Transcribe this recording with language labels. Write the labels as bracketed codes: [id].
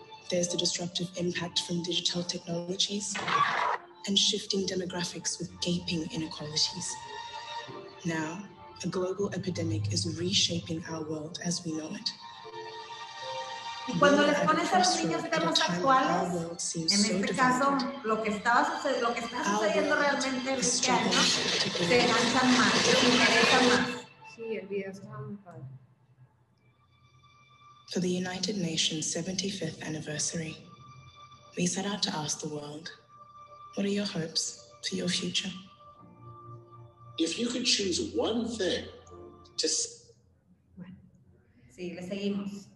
[en] There's the disruptive impact from digital technologies and shifting demographics with gaping inequalities. Now, a global epidemic is reshaping our world as we know it. [es] Y cuando les pones a los niños temas actuales, en este caso, lo que está sucediendo realmente en este año, se lanzan más, se interesan más. Sí, el video está muy padre. [en] For the United Nations 75th anniversary, we set out to ask the world, what are your hopes for your future? If you could choose one thing to... [es] Sí, le seguimos.